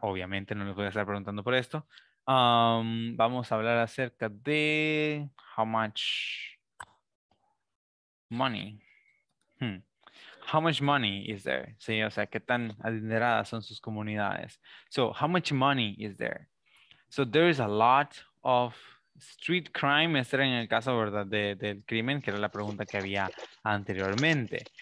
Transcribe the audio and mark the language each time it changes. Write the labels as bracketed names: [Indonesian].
[Spanish] Obviamente no les voy a estar preguntando por esto. Vamos a hablar acerca de [English] how much money. How much money is there? [Spanish] Sí, o sea, ¿qué tan adineradas son sus comunidades? [English] So, how much money is there? So, there is a lot of street crime. [Spanish] Este era en el caso, ¿verdad?, del crimen, que era la pregunta que había anteriormente.